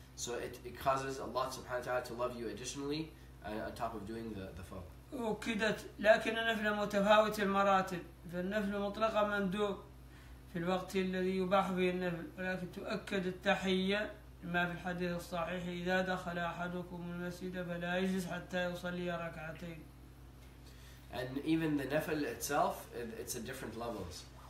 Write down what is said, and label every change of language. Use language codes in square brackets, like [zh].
[en] So it causes Allah subhanahu wa ta'ala to love you additionally on top of doing the fard. [ar] أكدت لكن النفل متفاوت المراتب فالنفل مطلقا مندوب في الوقت الذي يباح فيه النفل ولكن تؤكد التحية لما في الحديث الصحيح إذا دخل أحدكم المسجد فلا يجلس حتى يصلي ركعتين. [en] And even the nafil itself, it's a different levels.